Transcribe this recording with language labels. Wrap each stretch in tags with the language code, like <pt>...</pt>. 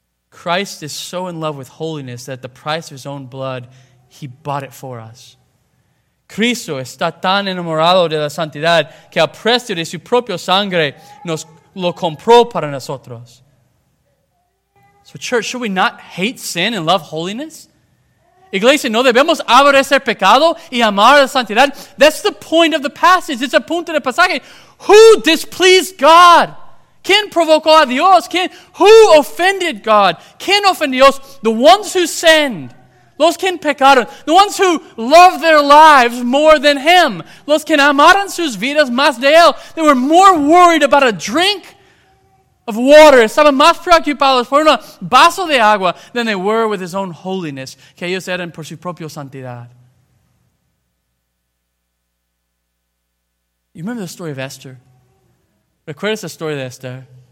<en>Christ is so in love with holiness that at the price of His own blood, He bought it for us.</en> <es>Cristo está tan enamorado de la santidad que al precio de su propio sangre nos lo compró para nosotros.</es> <en>So church, should we not hate sin and love holiness?</en> <es>Iglesia, no debemos aborrecer pecado y amar la santidad.</es> <en>That's the point of the passage. It's a</en> <es>punto de pasaje.</es> <en>Who displeased God?</en> <es>¿Quién provocó a Dios?</es> <en>Who offended God?</en> <es>¿Quién offended Dios?</es> <en>The ones who sinned.</en> <es>Los que pecaron.</es> <en>The ones who love their lives more than Him.</en> <es>Los que amaron sus vidas más de Él.</es> <en>They were more worried about a drink of water.</en> <es>Estaban más preocupados por un vaso de agua</es> <en>than they were with His own holiness.</en> <es>Que ellos eran por su propia santidad.</es> <en>You remember the story of Esther?</en> <es>¿Recuerdas la historia de Esther?</es>